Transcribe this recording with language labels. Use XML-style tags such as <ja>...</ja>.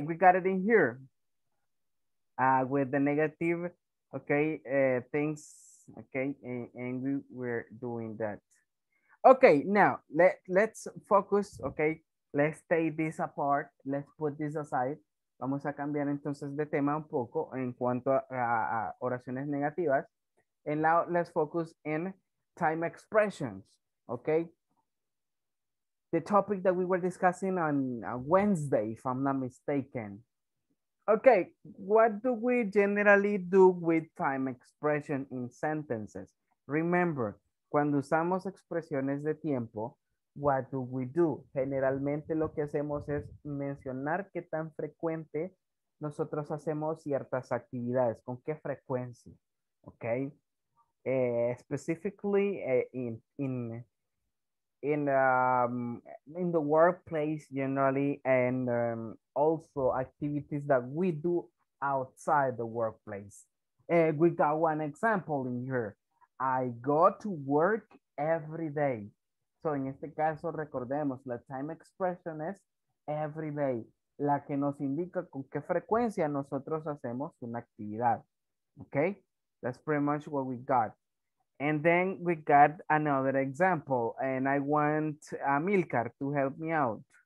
<en>We got it in here. With the negative, okay, things, okay, and we were doing that. Okay, now, let's focus, okay, let's take this apart, let's put this aside.</en> <es>Vamos a cambiar entonces de tema un poco en cuanto a oraciones negativas.</es> <en>And now, let's focus in time expressions, okay? The topic that we were discussing on Wednesday, if I'm not mistaken. Okay, what do we generally do with time expression in sentences?</en> <es>Remember, cuando usamos expresiones de tiempo,</es> <en>what do we do?</en> <es>Generalmente lo que hacemos es mencionar qué tan frecuente nosotros hacemos ciertas actividades, con qué frecuencia, okay?</es> <en>Specifically in the workplace generally, and also activities that we do outside the workplace. We got one example in here. I go to work every day.</en> <es>So in este caso, recordemos, la</es> <en>time expression is every day,</en> <es>la que nos indica con qué frecuencia nosotros hacemos una actividad.</es> <en>Okay, that's pretty much what we got. And then we got another example, and I want Amilcar to help me out.</en>